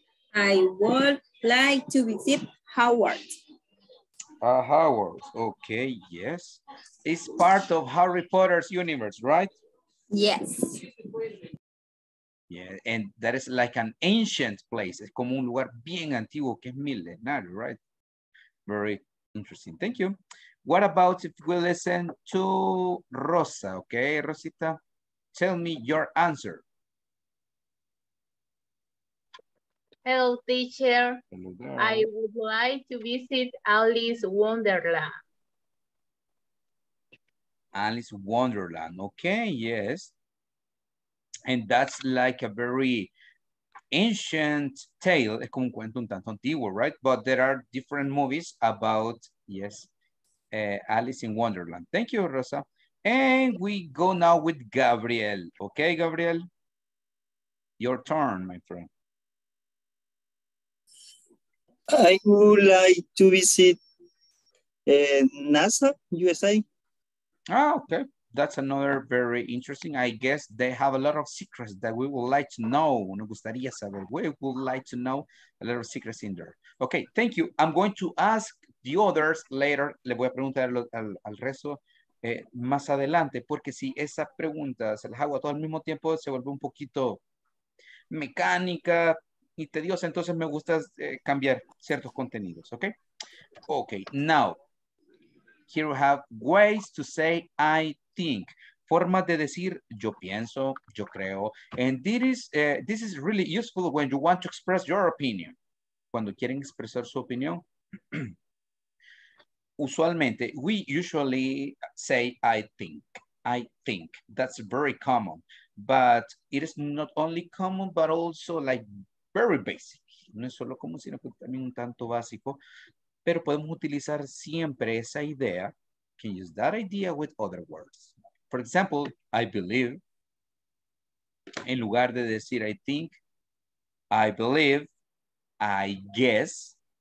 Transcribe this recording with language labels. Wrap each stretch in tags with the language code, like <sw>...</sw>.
<en>I would like to visit Howard. Howard, okay, yes. It's part of Harry Potter's universe, right? Yes. Yeah, and that is like an ancient place.</en> <es>Es como un lugar bien antiguo, que es milenario, right?</es> <en>Very interesting, thank you. What about if we listen to Rosa, okay, Rosita? Tell me your answer. Hello, teacher. Hello. I would like to visit Alice Wonderland. Alice Wonderland. Okay, yes. And that's like a very ancient tale.</en> <es>Es como un cuento un tanto antiguo, right?</es> <en>But there are different movies about, yes, Alice in Wonderland. Thank you, Rosa. And we go now with Gabriel. Okay, Gabriel? Your turn, my friend. I would like to visit NASA, USA. Ah, okay. That's another very interesting. I guess they have a lot of secrets that we would like to know.</en> <es>Nos gustaría saber.</es> <en>We would like to know a lot of secrets in there. Okay, thank you. I'm going to ask the others later.</en> <es>Le voy a preguntar al resto más adelante, porque si esa pregunta se la hago a todo al mismo tiempo, se vuelve un poquito mecánica, y tediosa, entonces me gusta cambiar ciertos contenidos, ¿ok?</es> <en>Ok, now, here we have ways to say I think.</en> <es>Formas de decir yo pienso, yo creo.</es> <en>And this is really useful when you want to express your opinion.</en> <es>Cuando quieren expresar su opinión.</es> <en>Usualmente, we usually say I think. That's very common. But it is not only common, but also like very basic.</en> <es>No es solo común, sino que también un tanto básico. Pero podemos utilizar siempre esa idea.</es> <en>Can use that idea with other words. For example, I believe.</en> <es>En lugar de decir</es> <en>I think, I believe, I guess.</en>